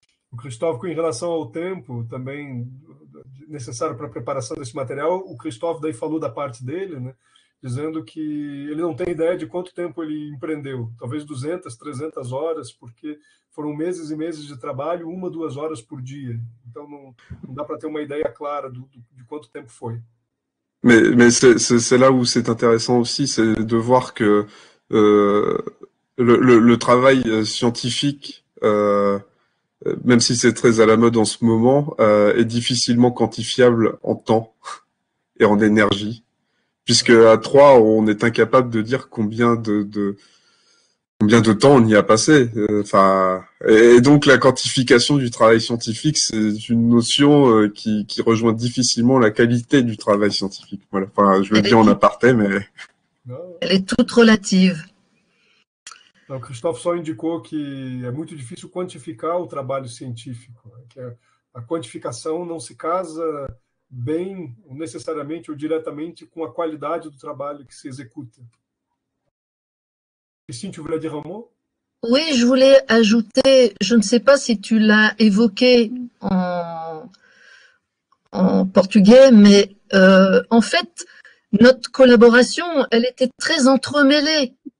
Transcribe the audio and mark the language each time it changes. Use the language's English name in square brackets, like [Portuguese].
[Portuguese] O Christophe, em relação ao tempo também necessário para a preparação desse material, o Christophe daí falou da parte dele, né, dizendo que ele não tem ideia de quanto tempo ele empreendeu, talvez 200, 300 horas, porque foram meses e meses de trabalho, uma, duas horas por dia. Então não dá para ter uma ideia clara de quanto tempo foi. [French] Mas c'est là où c'est intéressant aussi, c'est de voir que le travail scientifique, même si c'est très à la mode en ce moment, est difficilement quantifiable en temps et en énergie, puisque à trois, on est incapable de dire combien de temps on y a passé. Et donc la quantification du travail scientifique, c'est une notion qui rejoint difficilement la qualité du travail scientifique. Voilà. Enfin, je le dis en aparté, mais... Elle est toute relative. [Portuguese] Então, o Christophe só indicou que é muito difícil quantificar o trabalho científico. Que a quantificação não se casa bem, necessariamente ou diretamente, com a qualidade do trabalho que se executa. [French] Christine, tu voulais dire un mot? Oui, je voulais ajouter, je ne sais pas si tu l'as évoqué en portugais, mais en fait, notre collaboration, elle était très entremêlée.